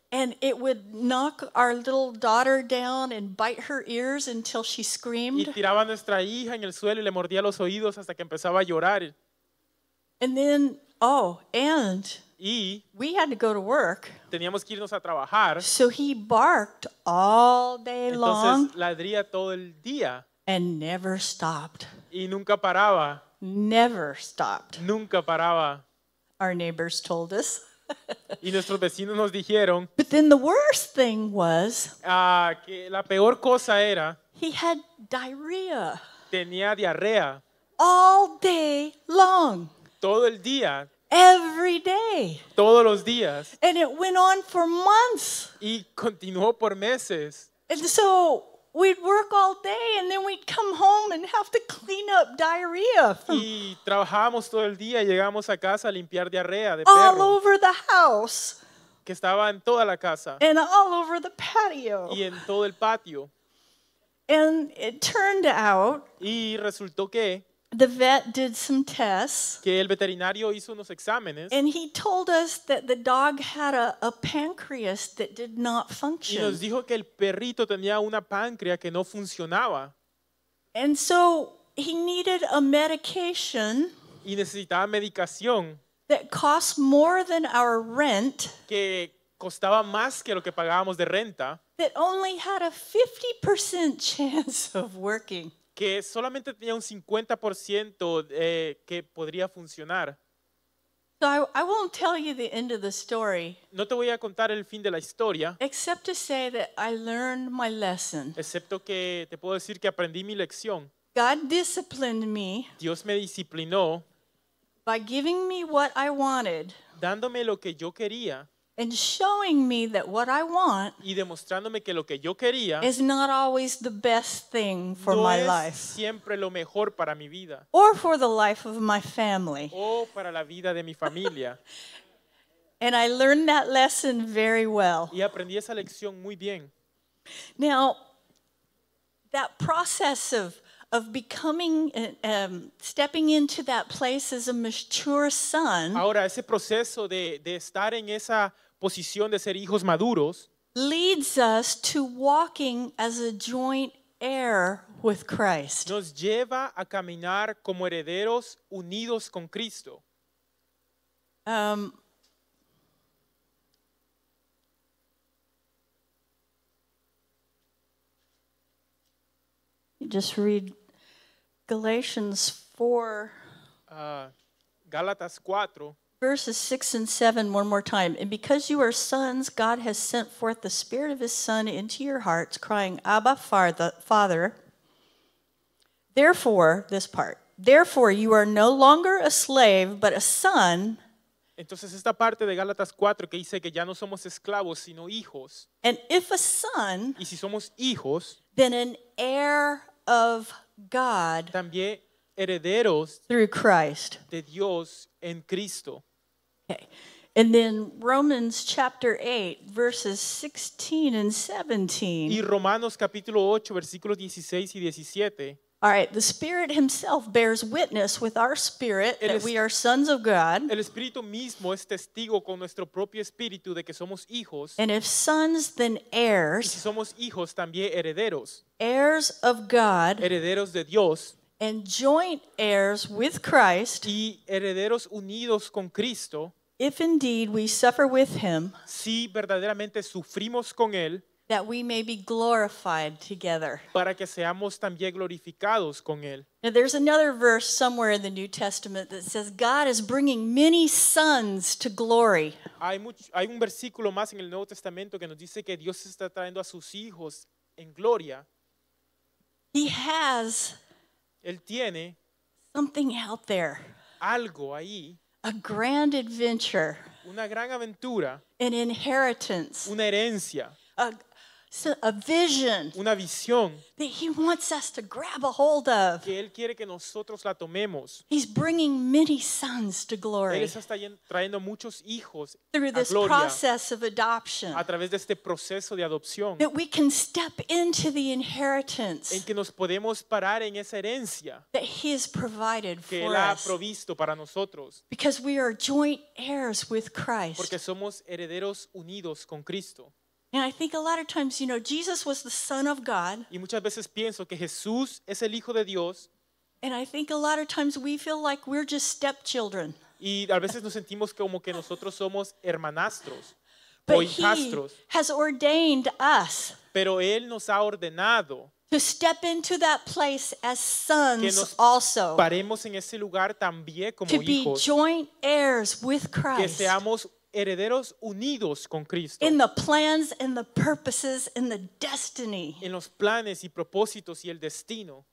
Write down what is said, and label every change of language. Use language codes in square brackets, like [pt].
[en] And it would knock our little daughter down and bite her ears until she screamed. [es] Y tiraba a nuestra hija en el suelo y le mordía los oídos hasta que empezaba a llorar. [en] And then, oh, and [es] y [en] we had to go to work. [es] Teníamos que irnos a trabajar. [en] So he barked all day [es] entonces, [en] long. [es] Entonces ladría todo el día. [en] And never stopped. [es] Y nunca paraba. [en] Never stopped. [es] Nunca paraba. [en] Our neighbors told us. [es] Y nuestros vecinos nos dijeron. [en] But then the worst thing was. [es] Que la peor cosa era. [en] He had diarrhea. [es] Tenía diarrea. [en] All day long. [es] Todo el día. [en] Every day. [es] Todos los días. [en] And it went on for months. [es] Y continuó por meses. [en] And so we'd work all day and then we'd come home and have to clean up diarrhea. [es] Y trabajábamos todo el día, llegamos a casa a limpiar diarrea de perro. [en] All over the house. [es] Que estaba en toda la casa. [en] And all over the patio. [es] Y en todo el patio. [en] And it turned out. [es] Y resultó que [en] the vet did some tests. [es] Que el veterinario hizo unos exámenes. [en] And he told us that the dog had a pancreas that did not function. [es] Y nos dijo que el perrito tenía una páncreas que no funcionaba. [en] And so he needed a medication. [es] Y necesitaba medicación. [en] That cost more than our rent. [es] Que costaba más que lo que pagábamos de renta. [en] That only had a 50% chance of working. [es] Que solamente tenía un 50% que podría funcionar. [en] So I won't tell you the end of the story. [es] No te voy a contar el fin de la historia. [en] Except to say that I learned my lesson. [es] Excepto que te puedo decir que aprendí mi lección. [en] God disciplined me. [es] Dios me disciplinó. [en] By giving me what I wanted. [es] Dándome lo que yo quería. [en] And showing me that what I want [es] y demostrándome que lo que yo quería [en] is not always the best thing for [es] no [en] my [es] es [en] life. [es] Siempre lo mejor para mi vida. [en] Or for the life of my family. [es] O para la vida de mi familia. [en] And I learned that lesson very well. [es] Y aprendí esa lección muy bien. [en] Now, that process of becoming, stepping into that place as a mature son. [es] Ahora ese proceso de estar en esa posición de ser hijos maduros [en] leads us to walking as a joint heir with Christ. [es] Nos lleva a caminar como herederos unidos con Cristo. [en] Just read Galatians 4, [es] Galatas 4, [en] verses 6 and 7 one more time. And because you are sons, God has sent forth the Spirit of His Son into your hearts, crying, Abba, Father. Therefore, this part, therefore you are no longer a slave, but a son. [es] Entonces esta parte de Gálatas 4 que dice que ya no somos esclavos, sino hijos. [en] And if a son, [es] y si somos hijos, [en] then an heir of God [es] también herederos [en] through Christ [es] de Dios en Cristo. [en] Okay. And then Romans chapter 8 verses 16 and 17. [es] Y Romanos capítulo 8 versículos 16 y 17. [en] All right, the Spirit himself bears witness with our spirit that we are sons of God. [es] El espíritu mismo es testigo con nuestro propio espíritu de que somos hijos. [en] And if sons then heirs. [es] Y si somos hijos también herederos. [en] Heirs of God, [es] herederos de Dios, [en] and joint heirs with Christ, [es] y herederos unidos con Cristo, [en] if indeed we suffer with him, [es] si verdaderamente sufrimos con él, [en] that we may be glorified together, [es] para que seamos también glorificados con él. [en] Now there's another verse somewhere in the New Testament that says God is bringing many sons to glory. [es] Hay un versículo más en el Nuevo Testamento que nos dice que Dios está trayendo a sus hijos en gloria. [en] He has [es] él tiene [en] something out there. [es] Algo ahí. [en] A grand adventure. [es] Una gran aventura. [en] An inheritance. [es] Una herencia. [en] A vision. [es] Una visión. [en] That he wants us to grab a hold of. [es] Que él quiere que nosotros la tomemos. [en] He's bringing many sons to glory. [es] Él está trayendo muchos hijos a gloria. [en] Through this process of adoption. [es] A través de este proceso de adopción. [en] That we can step into the inheritance. [es] En que nos podemos parar en esa herencia. [en] That he has provided for us. [es] Que él ha provisto para nosotros. [en] Because we are joint heirs with Christ. [es] Porque somos herederos unidos con Cristo. [en] And I think a lot of times, you know, Jesus was the Son of God. [es] Y muchas veces pienso que Jesús es el Hijo de Dios. [en] And I think a lot of times we feel like we're just stepchildren. [es] Y a veces nos sentimos como que nosotros somos hermanastros [en] But [es] o hijastros. [en] He has ordained us [es] Pero Él nos ha ordenado [en] to step into that place as sons [es] que nos [en] also, [es] paremos en ese lugar también como [en] to [es] hijos. [en] Be joint heirs with Christ. [es] Que seamos herederos unidos con Cristo. [en] In the plans and the purposes and the destiny. [es] En los planes y propósitos y el destino.